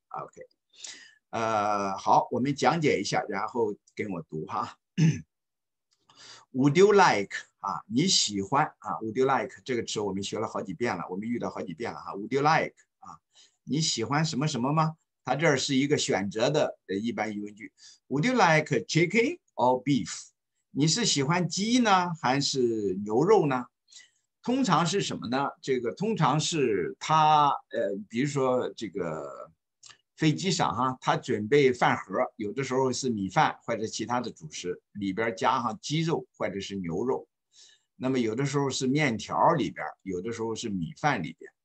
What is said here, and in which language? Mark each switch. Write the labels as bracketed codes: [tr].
[zh] OK， 好，我们讲解一下，然后跟我读哈。 [en] Would you like 啊？ [zh] 你喜欢啊 ？ [en] Would you like [zh] 这个词我们学了好几遍了，我们遇到好几遍了哈。 [en] Would you like [zh] 啊？你喜欢什么什么吗？它这是一个选择的一般疑问句。 [en] Would you like chicken or beef？ [zh] 你是喜欢鸡呢，还是牛肉呢？通常是什么呢？这个通常是他比如说这个飞机上哈，他准备饭盒，有的时候是米饭或者其他的主食，里边加上鸡肉或者是牛肉，那么有的时候是面条里边，有的时候是米饭里边。